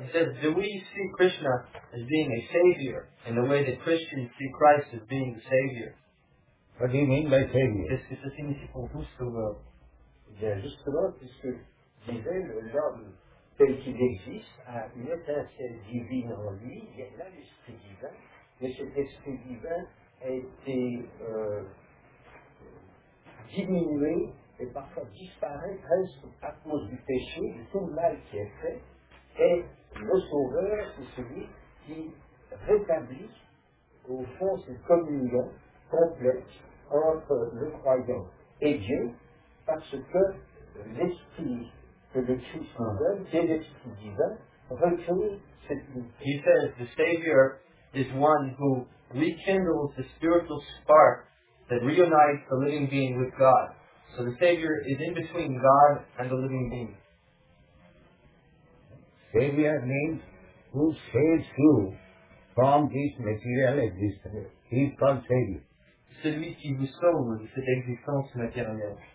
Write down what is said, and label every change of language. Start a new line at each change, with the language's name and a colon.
English: He says, do we see Krishna as being a savior in the way that Christians see Christ as being the savior? What do you mean by savior?
French: Est-ce que ça signifie pour vous sauveur? Bien, justement, puisque disait l'homme tel qu'il existe, a une étincelle divine en lui, il y a là l'esprit divin, mais cet esprit divin a été diminué et parfois disparaît presque à cause du péché, de tout le mal qui est fait, et le sauveur, c'est celui qui rétablit au fond cette communion complète entre le croyant et Dieu, parce que l'esprit que le Christ nous donne, qui est l'esprit divin, recrée cette unité.
English: He says, the Savior is one who rekindles the spiritual spark that reunites the living being with God. So the Savior is in between God and the living being. Savior means who saves you from this material existence. He is called Savior.
French: Celui qui vous sauve de cette existence matérielle.